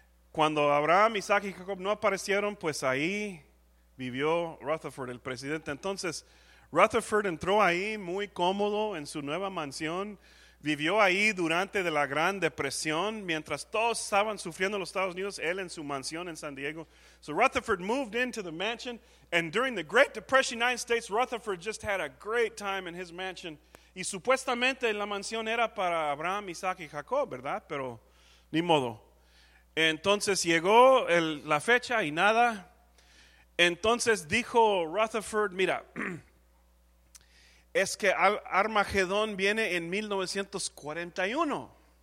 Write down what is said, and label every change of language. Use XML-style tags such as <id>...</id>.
<es>Cuando Abraham, Isaac y Jacob no aparecieron, pues ahí vivió Rutherford, el presidente. Entonces, Rutherford entró ahí muy cómodo en su nueva mansión. Vivió ahí durante de la Gran Depresión, mientras todos estaban sufriendo en los Estados Unidos, él en su mansión en San Diego.</es> <en>So Rutherford moved into the mansion, and during the Great Depression, United States, Rutherford just had a great time in his mansion.</en> <es>Y supuestamente la mansión era para Abraham, Isaac y Jacob, ¿verdad? Pero ni modo. Entonces llegó la fecha y nada. Entonces dijo Rutherford, mira, es que Armagedón viene en 1941.</es>